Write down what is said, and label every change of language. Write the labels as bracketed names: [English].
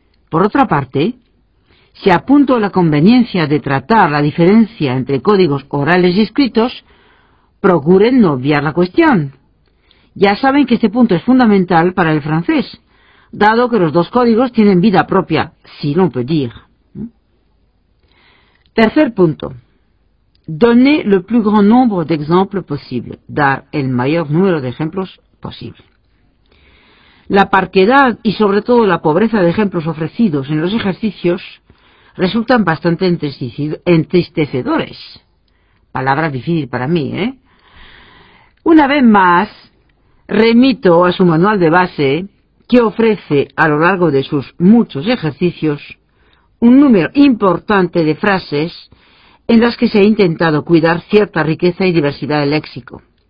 [Spanish] Por otra parte, si apunto la conveniencia de tratar la diferencia entre códigos orales y escritos, procuren no obviar la cuestión. Ya saben que este punto es fundamental para el francés, dado que los dos códigos tienen vida propia, [French] si l'on peut dire. [Spanish] Tercer punto. [French] Donner le plus grand nombre d'exemples possible. [Spanish] Dar el mayor número de ejemplos posible. La parquedad y sobre todo la pobreza de ejemplos ofrecidos en los ejercicios resultan bastante entristecedores. Palabra difícil para mí, ¿eh? Una vez más, remito a su manual de base que ofrece a lo largo de sus muchos ejercicios un número importante de frases en las que se ha intentado cuidar cierta riqueza y diversidad de léxico.